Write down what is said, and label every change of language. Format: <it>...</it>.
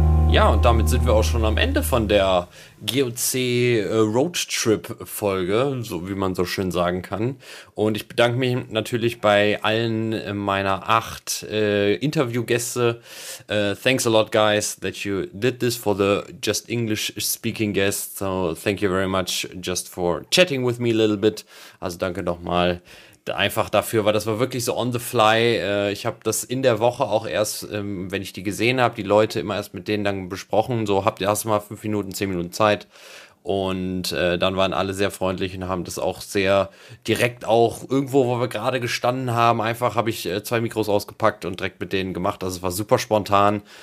<de>Ja, und damit sind wir auch schon am Ende von der GOC Roadtrip-Folge, so wie man so schön sagen kann. Und ich bedanke mich natürlich bei allen meiner 8 Interviewgäste.</de> <en>Thanks a lot, guys, that you did this for the just English-speaking guests. So thank you very much just for chatting with me a little bit.</en> <de>Also danke nochmal einfach dafür, weil das war wirklich so</de> <en>on the fly.</en> <de>Ich habe das in der Woche auch erst, wenn ich die gesehen habe, die Leute immer erst mit denen dann besprochen, so habt ihr erstmal 5 Minuten, 10 Minuten Zeit und dann waren alle sehr freundlich und haben das auch sehr direkt auch irgendwo, wo wir gerade gestanden haben, einfach habe ich 2 Mikros ausgepackt und direkt mit denen gemacht, also es war super spontan</de>